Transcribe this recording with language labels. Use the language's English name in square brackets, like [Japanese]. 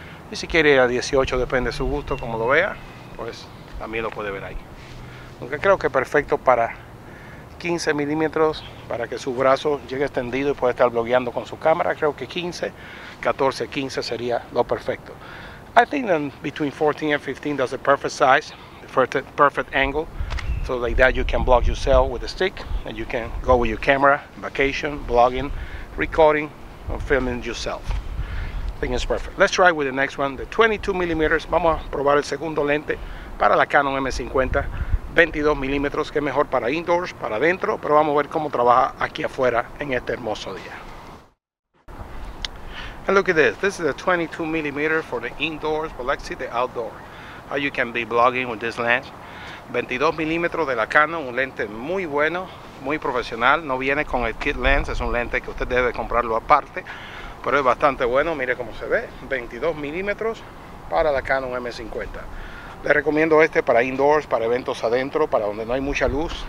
[Spanish] Y si quiere ir a 18, depende de su gusto, como lo vea, pues también lo puede ver ahí. Aunque creo que perfecto para 15 milímetros, para que su brazo llegue extendido y pueda estar blogueando con su cámara, creo que 15, 14, 15 sería lo perfecto. [English] I think that between 14 and 15 that's the perfect size, the perfect angle, so like that you can blog yourself with a stick and you can go with your camera, vacation, blogging, recording, or filming yourself. I think it's perfect. Let's try with the next one, the 22 millimeters. [Spanish] Vamos a probar el segundo lente para la Canon M50. 22 milímetros, que es mejor para indoors, para adentro, pero vamos a ver cómo trabaja aquí afuera en este hermoso día. [English] And look at this. This is a 22 millimeter for the indoors, but let's see the outdoor. How you can be blogging with this lens. [Spanish] 22 milímetros de la Canon, un lente muy bueno, muy profesional. No viene con el kit lens, es un lente que usted debe comprarlo aparte, pero es bastante bueno. Mire cómo se ve. 22 milímetros para la Canon M50. Le recomiendo este para indoors, para eventos adentro, para donde no hay mucha luz.